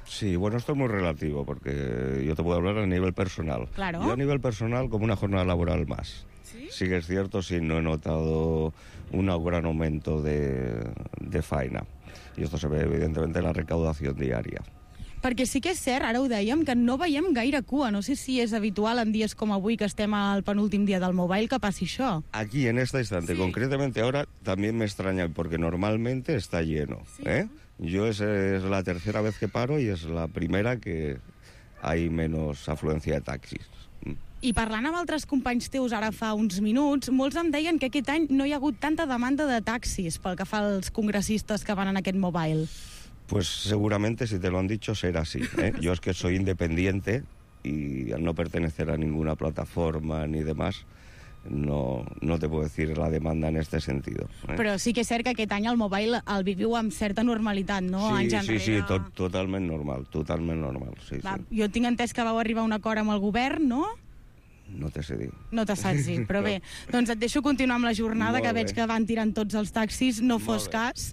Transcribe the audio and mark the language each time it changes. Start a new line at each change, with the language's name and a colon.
Spanish: Sí, bueno, esto es muy relativo, porque yo te puedo hablar a nivel personal. Claro. Yo a nivel personal, como una jornada laboral más. Sí, sí que es cierto, sí, no he notado un gran aumento de faena. Y esto se ve, evidentemente, en la recaudación diaria.
Catalan: Perquè sí que és cert, ara ho dèiem, que no veiem gaire cua. No sé si és habitual en dies com avui, que estem al penúltim dia del Mobile, que passi això.
Spanish: Aquí, en este instante, sí. Concretamente ahora, también me extraña, porque normalmente está lleno. Sí. ¿Eh? Yo es la tercera vez que paro y es la primera que hay menos afluencia de taxis.
Catalan: I parlant amb altres companys teus ara fa uns minuts, molts em deien que aquest any no hi ha hagut tanta demanda de taxis pel que fa als congressistes que van en aquest Mobile.
Spanish: Pues seguramente, si te lo han dicho, será así. ¿Eh? Yo es que soy independiente y al no pertenecer a ninguna plataforma ni demás, no te puedo decir la demanda en este sentido. ¿Eh?
Catalan: Però sí que és cert que aquest any el Mobile el viviu amb certa normalitat, no? Totalment normal, totalment normal. Sí, va, sí. Jo tinc entès que vau arribar a un acord amb el govern, no? No te sé dir. No te saps dir, però bé. Doncs et deixo continuar amb la jornada, molt que bé. Veig que van tirant tots els taxis, no fos cas.